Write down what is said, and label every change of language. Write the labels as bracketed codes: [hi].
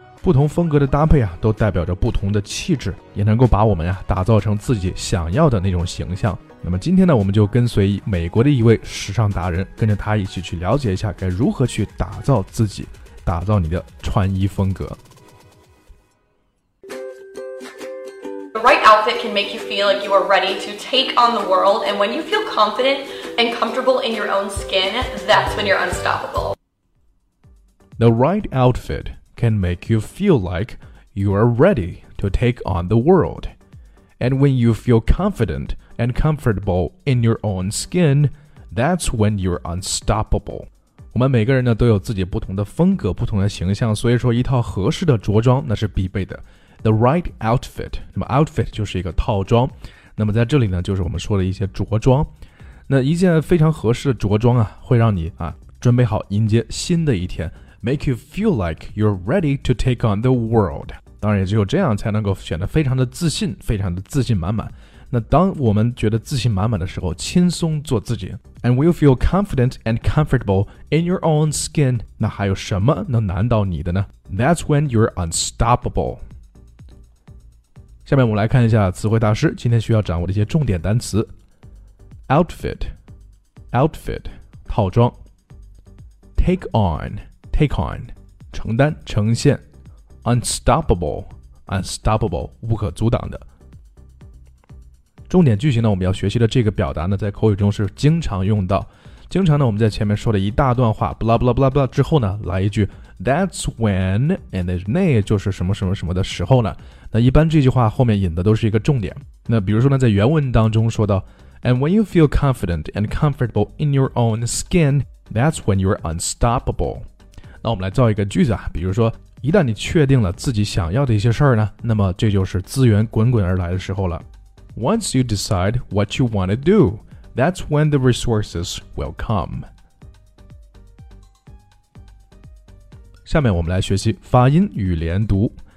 [zh] 不同风格的搭配啊，都代表着不同的气质，也能够把我们啊打造成自己想要的那种形象。那么今天呢，我们就跟随美国的一位时尚达人，跟着他一起去了解一下该如何去打造自己，打造你的穿衣风格。 [en] The right outfit can make you feel like you are ready to take on the world, and when you feel confident and comfortable in your own skin, that's when you're unstoppable. The right outfit can make you feel like you are ready to take on the world, and when you feel confident and comfortable in your own skin, that's when you're unstoppable. [zh] 我们每个人呢都有自己不同的风格，不同的形象，所以说一套合适的着装那是必备的。 [en] The right outfit, [zh] 那么 outfit 就是一个套装，那么在这里呢就是我们说的一些着装。那一件非常合适的着装啊，会让你啊准备好迎接新的一天， [en] make you feel like you're ready to take on the world. [zh] 当然也只有这样才能够显得非常的自信，非常的自信满满。那当我们觉得自信满满的时候，轻松做自己。 [en] And we'll feel confident and comfortable in your own skin. [zh] 那还有什么能难倒你的呢？ [en] That's when you're unstoppable. [zh] 下面我们来看一下词汇大师今天需要掌握的一些重点单词。 Outfit, outfit, 套装。Take on, 承担，呈现。 Unstoppable, unstoppable, 无可阻挡的。重点句型呢，我们要学习的这个表达呢，在口语中是经常用到。经常呢，我们在前面说了一大段话 blah blah blah blah 之后呢，来一句 [en] that's when and [zh] 那就是什么什么什么的时候呢，那一般这句话后面引的都是一个重点。那比如说呢，在原文当中说到 [en] and when you feel confident and comfortable in your own skin, that's when you're unstoppable. [zh] 那我们来造一个句子啊，比如说一旦你确定了自己想要的一些事儿呢，那么这就是资源滚滚而来的时候了。 [en] Once you decide what you want to do, that's when the resources will come. [zh] 下面我们来学习发音与连读。